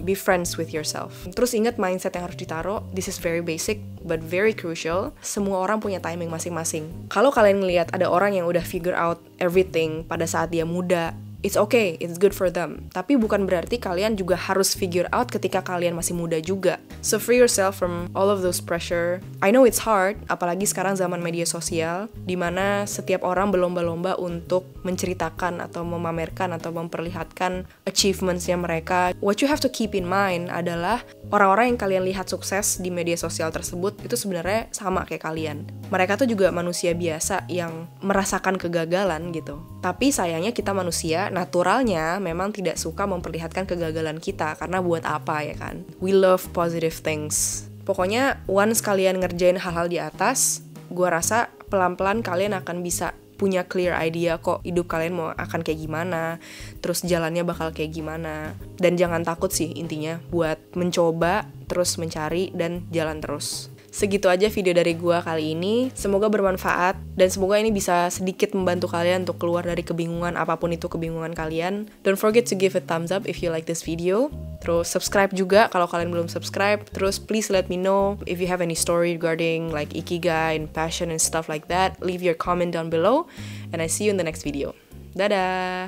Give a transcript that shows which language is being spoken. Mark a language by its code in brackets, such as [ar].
[en] Be friends with yourself. [id] Terus ingat mindset yang harus ditaruh. [en] This is very basic but very crucial. [id] Semua orang punya timing masing-masing. Kalau kalian ngelihat ada orang yang udah [en] figure out everything [id] pada saat dia muda, [en] it's okay, it's good for them. [id] Tapi bukan berarti kalian juga harus figure out ketika kalian masih muda juga. [en] So free yourself from all of those pressure. I know it's hard, [id] apalagi sekarang zaman media sosial, dimana setiap orang berlomba-lomba untuk menceritakan atau memamerkan atau memperlihatkan achievements-nya mereka. [en] What you have to keep in mind [id] adalah orang-orang yang kalian lihat sukses di media sosial tersebut itu sebenarnya sama kayak kalian. Mereka tuh juga manusia biasa yang merasakan kegagalan gitu. Tapi sayangnya kita manusia naturalnya memang tidak suka memperlihatkan kegagalan kita, karena buat apa ya kan? [en] We love positive things. [id] Pokoknya once kalian ngerjain hal-hal di atas, gua rasa pelan-pelan kalian akan bisa punya clear idea kok hidup kalian mau akan kayak gimana, terus jalannya bakal kayak gimana. Dan jangan takut sih intinya buat mencoba, terus mencari dan jalan terus. Segitu aja video dari gue kali ini, semoga bermanfaat, dan semoga ini bisa sedikit membantu kalian untuk keluar dari kebingungan, apapun itu kebingungan kalian. [en] Don't forget to give a thumbs up if you like this video, [id] terus subscribe juga kalau kalian belum subscribe, terus [en] please let me know if you have any story regarding like ikigai and passion and stuff like that, leave your comment down below, and I see you in the next video. Dadah!